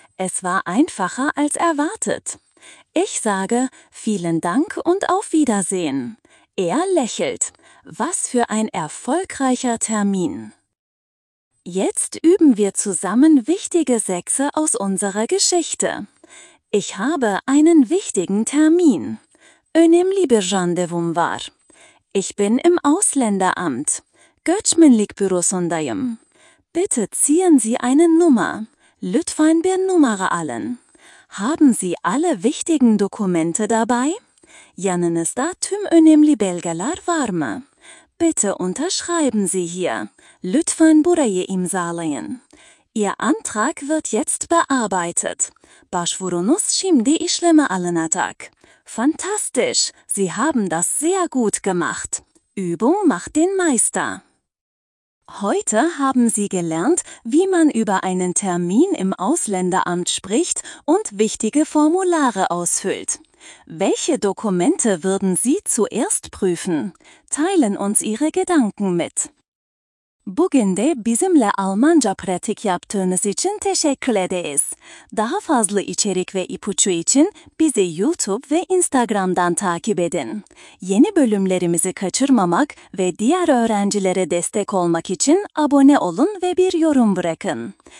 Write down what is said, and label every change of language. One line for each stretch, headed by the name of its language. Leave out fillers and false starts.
German: Es war einfacher als erwartet. Ich sage, vielen Dank und auf Wiedersehen. Er lächelt. Was für ein erfolgreicher Termin. Jetzt üben wir zusammen wichtige Sätze aus unserer Geschichte. Ich habe einen wichtigen Termin.
Turkish: Önemli bir randevum var.
German: Ich bin im Ausländeramt.
Turkish: Göçmenlik bürosundayım.
German: Bitte ziehen Sie eine Nummer.
Turkish: Lütfen bir numara alın.
German: Haben Sie alle wichtigen Dokumente dabei?
Turkish: Yanınızda tüm önemli belgeler var mı?
German: Bitte unterschreiben Sie hier.
Turkish: Lütfen burayı imzalayın.
German: Ihr Antrag wird jetzt bearbeitet.
Turkish: Başvurunuz şimdi işleme alınacak.
German: Fantastisch! Sie haben das sehr gut gemacht. Übung macht den Meister. Heute haben Sie gelernt, wie man über einen Termin im Ausländeramt spricht und wichtige Formulare ausfüllt. Welche Dokumente würden Sie zuerst prüfen? Teilen uns Ihre Gedanken mit.
Turkish: Bugünde bizimle Almanca pratik yaptığınız için teşekkür ederiz. Daha fazla içerik ve ipucu için bizi YouTube ve Instagram'dan takip edin. Yeni bölümlerimizi kaçırmamak ve diğer öğrencilere destek olmak için abone olun ve bir yorum bırakın.